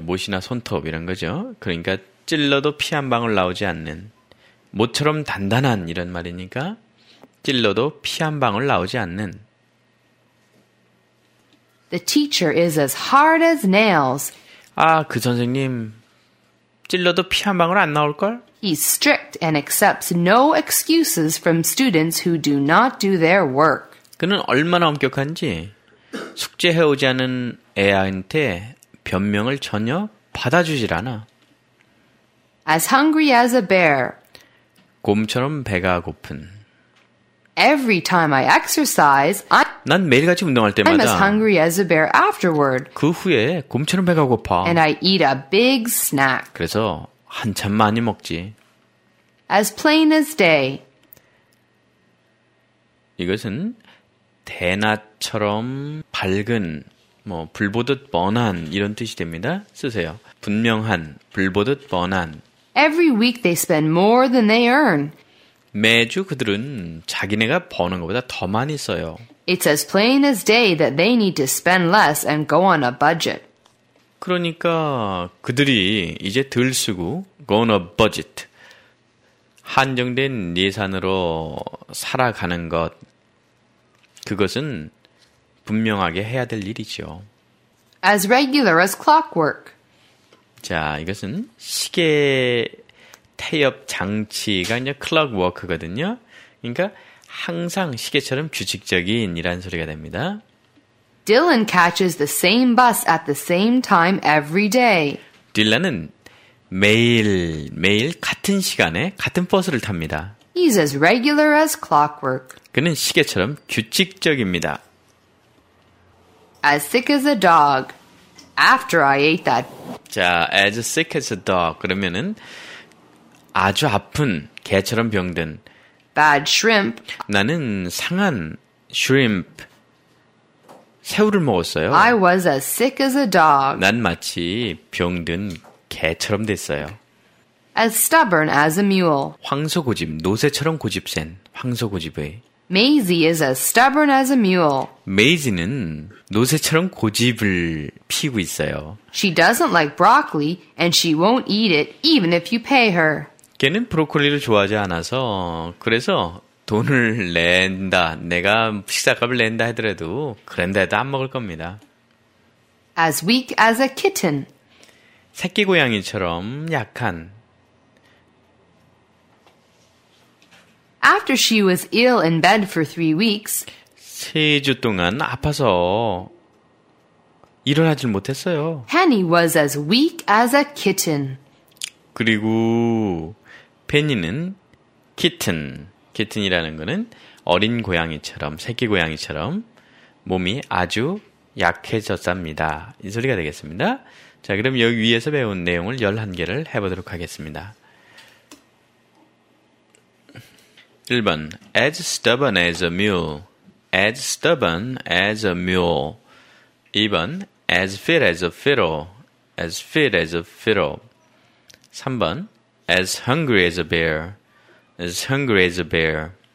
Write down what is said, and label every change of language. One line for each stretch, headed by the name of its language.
Korean: 못이나 손톱 이런 거죠. 그러니까 찔러도 피 한 방울 나오지 않는. 못처럼 단단한 이런 말이니까 찔러도 피 한 방울 나오지 않는.
English: The teacher is as hard as nails.
Korean: 아, 그 선생님 찔러도 피 한 방울 안 나올걸?
English: He's strict and accepts no excuses from students who do not do their work.
Korean: 그는 얼마나 엄격한지 숙제해오지 않은 애한테 변명을 전혀 받아주질 않아.
English: As hungry as a bear.
Korean: 곰처럼 배가 고픈.
English: Every time I exercise,
Korean: 난 매일같이 운동할 때마다
English: I'm as hungry as a bear afterward.
Korean: 그 후에 곰처럼 배가 고파.
English: And I eat a big snack.
Korean: 그래서 한참 많이 먹지.
English: As plain as day.
Korean: 이것은 대낮처럼 밝은, 뭐 불보듯 뻔한 이런 뜻이 됩니다. 쓰세요. 분명한, 불보듯 뻔한.
English: Every week they spend more than they earn.
Korean: 매주 그들은 자기네가 버는 것보다 더 많이 써요.
English: It's as plain as day that they need to spend less and go on a budget.
Korean: 그러니까 그들이 이제 덜 쓰고
English: go on a budget.
Korean: 한정된 예산으로 살아가는 것, 그것은 분명하게 해야 될 일이죠.
English: As regular as clockwork.
Korean: 자, 이것은 시계 태엽 장치가 이제 clockwork거든요. 그러니까 항상 시계처럼 규칙적인 이란 소리가 됩니다.
English: Dylan catches the same bus at the same time every day.
Korean: 딜런은 매일 같은 시간에 같은 버스를 탑니다.
English: He's as regular as clockwork.
Korean: 그는 시계처럼 규칙적입니다.
English: As sick as a dog. After I ate that.
Korean: 자,
English: as sick as a dog.
Korean: 그러면은 아주 아픈 개처럼 병든.
English: Bad shrimp.
Korean: 나는 상한 shrimp. 새우를 먹었어요.
English: I was as sick as a dog.
Korean: 난 마치 병든 개처럼 됐어요.
English: As stubborn as a mule.
Korean: 황소 고집, 노새처럼 고집 센 황소 고집의.
English: Maisie is as stubborn as a mule.
Korean: Maisie는 노새처럼 고집을 피우고 있어요.
English: She doesn't like broccoli and she won't eat it even if you pay her.
Korean: 걔는 브로콜리를 좋아하지 않아서 그래서 돈을 낸다, 내가 식사값을 낸다 하더라도 그런데도 안 먹을 겁니다.
English: As weak as a kitten.
Korean: 새끼 고양이처럼 약한.
English: After she was ill in bed for 3 weeks,
Korean: 3주 동안 아파서 일어나질 못했어요.
English: Penny was as weak as a kitten.
Korean: 그리고 Penny는 kitten, kitten이라는 거는 어린 고양이처럼, 새끼 고양이처럼 몸이 아주 약해졌답니다. 이 소리가 되겠습니다. 자, 그럼 여기 위에서 배운 내용을 11개를 해보도록 하겠습니다.
English: 1번, as stubborn as a mule, as stubborn as a mule. 2번, as fit as a fiddle, as fit as a fiddle. 3번, as hungry as a bear, as hungry as a bear.